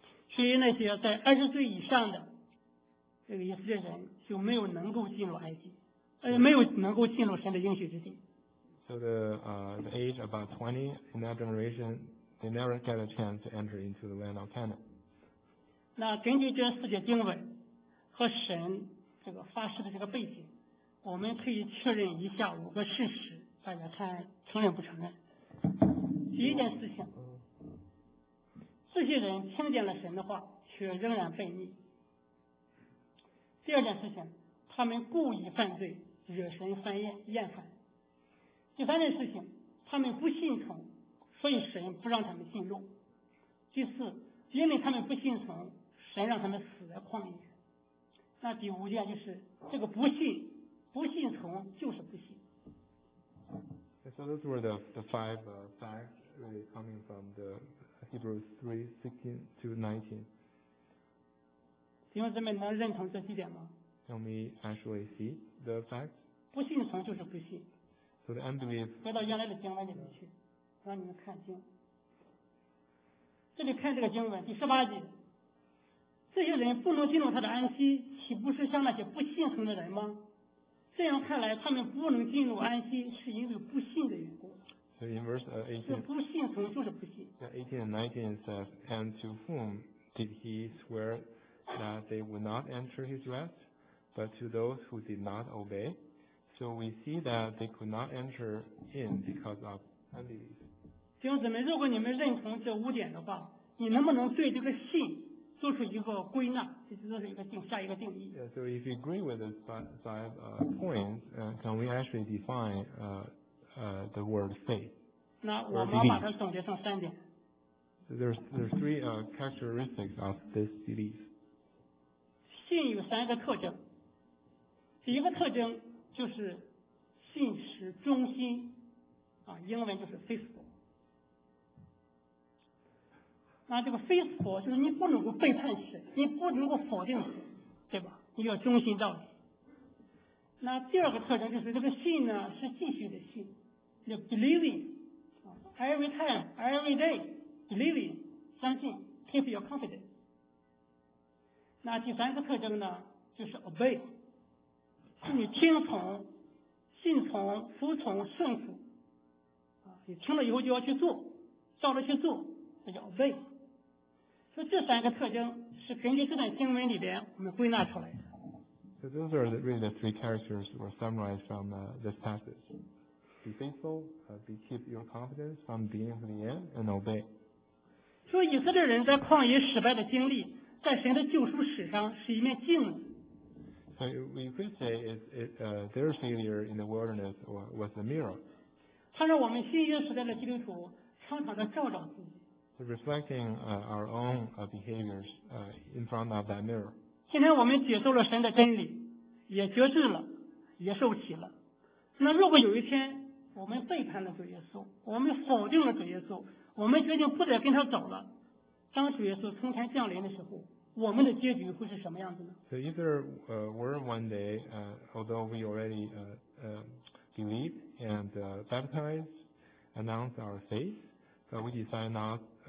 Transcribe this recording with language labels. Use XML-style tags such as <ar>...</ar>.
<zh>所以那些在二十岁以上的这个以色列人就没有能够进入埃及，没有能够进入神的应许之地。</zh> <en>So the age about 20 in that generation, they never get a chance to enter into the land of Canaan.</en> <zh>那根据这四节经文和神这个发誓的这个背景，我们可以确认一下五个事实，大家看承认不承认。第一件事情，这些人听见了神的话却仍然悖逆。第二件事情，他们故意犯罪惹神厌烦。第三件事情，他们不信从，所以神不让他们进入。第四，因为他们不信从，神让他们死在旷野。那第五件就是这个不信从就是不信。</zh> <en>So those were the five facts really coming from the Hebrews 3:16-19.</en> <zh>弟兄姊妹能认同这几点吗？</zh> <en>Can we actually see the facts?</en> <zh>不信从就是不信。</zh> <en>So the unbelief.</en> <zh>回到原来的经文里面去，让你们看经。这里看这个经文第十八节。这些人不能进入他的安息，岂不是像那些不信从的人吗？这样看来，他们不能进入安息，是因为不信的缘故。</zh> <en>So in verse 18,</en> <zh>不信从就是不信。</zh> <en>18 and 19 says, and to whom did he swear that they would not enter his rest, but to those who did not obey? So we see that they could not enter in because of unbelief.</en> <zh>弟兄姊妹，如果你们认同这五点的话，你能不能对这个信做出一个归纳，这就是一个定下一个定义。</zh> <en>Yeah, so if you agree with this five points, can we actually define the word faith?</en> <zh>那我们把它总结成三点。</zh> <en>There's three characteristics of this belief.</en> <zh>信有三个特征。第一个特征就是信实忠心，英文就是 faithful。那这个 faithful 就是你不能够背叛神，你不能够否定神，对吧？你要忠心到底。那第二个特征就是这个信呢是继续的信，</zh> <en>the believing， every time， every day， believing，</en> <zh>相信，</zh> <en>keep your confidence。</en> <zh>那第三个特征呢就是 obey， 是你听从、信从、服从、顺服，你听了以后就要去做，照着去做，那叫 obey。所以这三个特征是根据这段经文里边我们归纳出来的。</zh> <en>So those are really the three characters were summarized from this passage. Be faithful, be keep your confidence from being to the end, and obey.</en> <zh>说以色列人在旷野失败的经历，在神的救赎史上是一面镜子。</zh> <en>So we could say their failure in the wilderness was a mirror.</en> <zh>他说我们新约时代的基督徒常常的照照自己。</zh> <en>So、reflecting our own behaviors in front of that mirror.</en> <zh>今天我们接受了神的真理，也觉知了，也受洗了。那如果有一天我们背叛了主耶稣，我们否定了主耶稣，我们决定不再跟他走了，当主耶稣从天降临的时候，我们的结局会是什么样子呢？</zh> <en>So either were one day, although we already believe and baptize, announce our faith, but we decide not.</en>